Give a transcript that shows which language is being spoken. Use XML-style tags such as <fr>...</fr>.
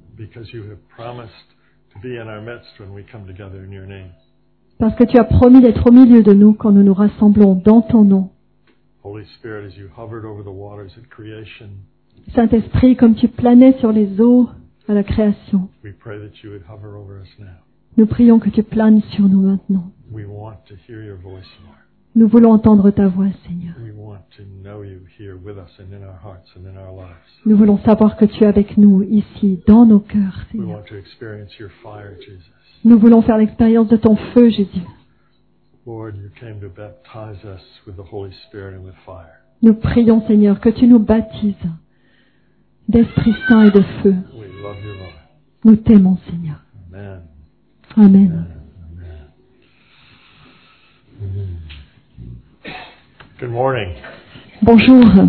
<en>Because you have promised to be in our midst when we come together in your name.</en> <fr>Parce que tu as promis d'être au milieu de nous quand nous nous rassemblons dans ton nom.</fr> <en>Holy Spirit, as you hovered over the waters at creation.</en> <fr>Saint-Esprit, comme tu planais sur les eaux à la création.</fr> <en>We pray that you would hover over us now.</en> <fr>Nous prions que tu planes sur nous maintenant.</fr> <en>We want to hear your voice, Lord.</en> <fr>Nous voulons entendre ta voix, Seigneur.</fr> <en>We want to know you here with us and in our hearts and in our lives.</en> <fr>Nous voulons savoir que tu es avec nous ici dans nos cœurs, Seigneur.</fr> <en>We want to experience your fire, Jesus.</en> <fr>Nous voulons faire l'expérience de ton feu, Jésus.</fr> <en>Lord, you came to baptize us with the Holy Spirit and with fire.</en> <fr>Nous prions, Seigneur, que tu nous baptises d'Esprit Saint et de feu.</fr> <en>We love you, Lord.</en> <fr>Nous t'aimons, Seigneur.</fr> <en>Amen.</en> <fr>Amen.</fr> <en>Amen. Good morning.</en> <fr>Bonjour.</fr>